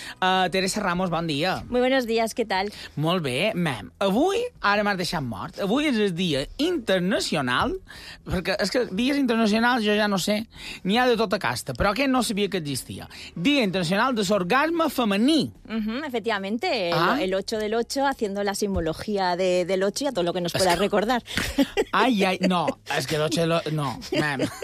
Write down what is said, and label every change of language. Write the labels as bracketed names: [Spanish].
[Catalan] Teresa Ramos, bon dia. [Spanish] Muy buenos días, ¿qué tal? [Catalan] Molt bé, mem. Avui, ara m'has deixat mort, avui és el dia internacional... Perquè és que dies internacionals jo ja no sé, n'hi ha de tota casta, però aquest no sabia que existia. Dia internacional de l'orgasme femení. [Spanish] Uh-huh, efectivamente, el 8 del 8, haciendo la simbología de, del 8 y a todo lo que nos pueda recordar. [Catalan] Ai, ai, no, és que el 8 del 8, no, mem.